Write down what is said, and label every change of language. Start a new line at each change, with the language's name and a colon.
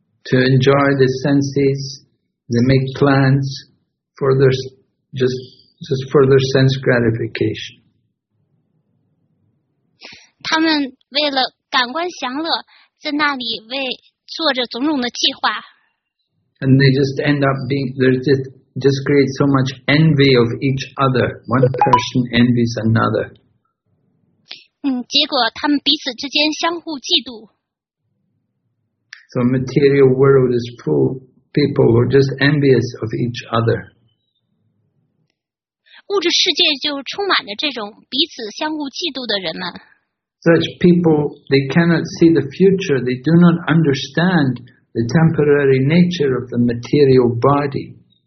English: To enjoy the senses, they make plans for their just for their sense gratification.
Chinese: 他们为了感官享乐，在那里为做着种种的计划。
English: And they just end up being there. Just create so much envy of each other. One person envies another.
Chinese: 结果他们彼此之间相互嫉妒。
English: So material world is full of people who are just envious of each other.
Chinese: 物质世界就充满了这种彼此相互嫉妒的人们。
English: Such people, they cannot see the future. They do not understand the temporary nature of the material body.